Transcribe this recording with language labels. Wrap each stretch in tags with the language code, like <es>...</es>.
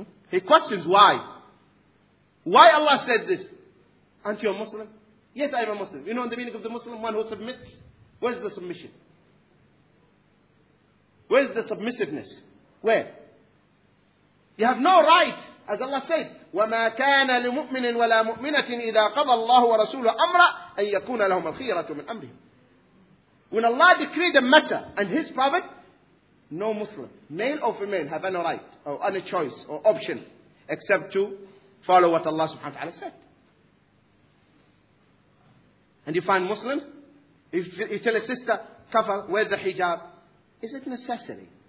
<en>He questions why. Why Allah said this? Aren't you a Muslim? Yes, I am a Muslim. You know the meaning of the Muslim? One who submits. Where's the submission? Where's the submissiveness? Where? You have no right. As Allah said,</en> <ar>وَمَا كَانَ لِمُؤْمِنٍ وَلَا مُؤْمِنَةٍ إِذَا قَضَى اللَّهُ وَرَسُولُهُ أَمْرًا أَنْ يَكُونَ لَهُمَ الْخِيَرَةُ مِنْ أَمْرِهِمْ.</ar> <en>When Allah decreed a matter and His Prophet, no Muslim, male or female, have any right or any choice or option except to follow what Allah subhanahu wa ta'ala said. And you find Muslims, if you tell a sister, kafir, wear the hijab, is it necessary?</en>